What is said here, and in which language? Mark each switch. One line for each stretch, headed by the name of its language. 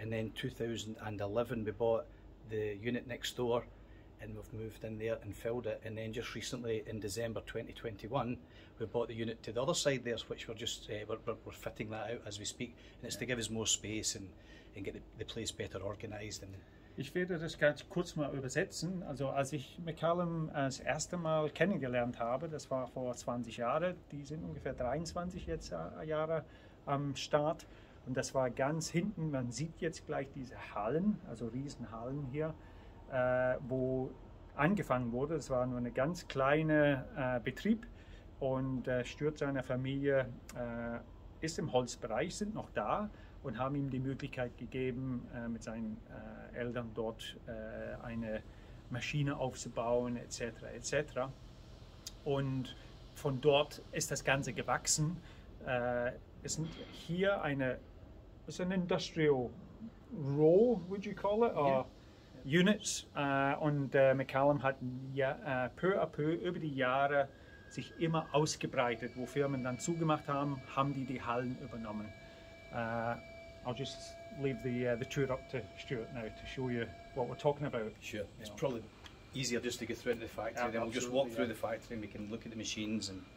English: And then 2011, we bought the unit next door and we've moved in there and filled it. And then just recently in December 2021, we bought the unit to the other side there, which we're just we're fitting that out as we speak. And it's, yeah, to give us more space and get the place better organized. And
German: ich werde das ganz kurz mal übersetzen. Also als ich McCallum das erste Mal kennengelernt habe, das war vor 20 Jahren, die sind ungefähr 23 jetzt Jahre am Start, und das war ganz hinten, man sieht jetzt gleich diese Hallen, also Riesenhallen hier, wo angefangen wurde. Es war nur eine ganz kleine Betrieb, und Stuart seiner Familie ist im Holzbereich, sind noch da und haben ihm die Möglichkeit gegeben, mit seinen Eltern dort eine Maschine aufzubauen, etc. etc. Und von dort ist das Ganze gewachsen. Es sind hier eine,
English: it's an industrial row, would you call it, or yeah, units.
German: Und McCallum hat peu à peu über die Jahre sich immer ausgebreitet. Wo Firmen dann zugemacht haben, haben die die Hallen übernommen.
English: I'll just leave the tour up to Stuart now to show you what we're talking about. Sure, it's probably easier just to go through the factory. Yeah, then we'll just walk through, yeah, the factory and we can look at the machines and,